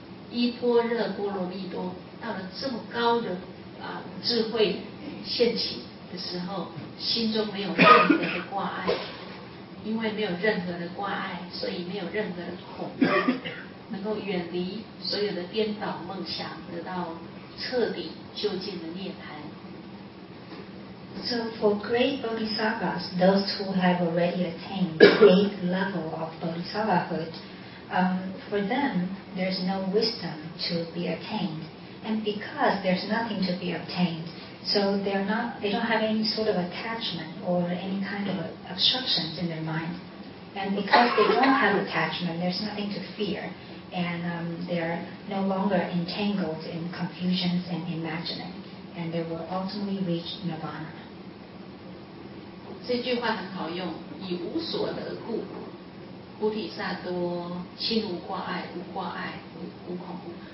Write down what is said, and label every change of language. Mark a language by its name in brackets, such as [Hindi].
[Chinese] 依般若波罗蜜多，到了这么高的智慧现起。的时候，心中没有任何的挂碍，因为没有任何的挂碍，所以没有任何的恐惧，能够远离所有的颠倒梦想，得到彻底究竟的涅槃。 [English] So for great bodhisattvas, those who have already attained the eighth level of bodhisattvahood, for them, there's no wisdom to be attained. And because there's nothing to be obtained, so they don't have any sort of attachment or any kind of obstructions in their mind. And because they don't have attachment, there's nothing to fear, and they're no longer entangled in confusions and imagining, and they will ultimately reach nirvana. [Chinese] 这句话很好用，以无所得故，菩提萨多心无挂碍，无挂碍，无恐怖。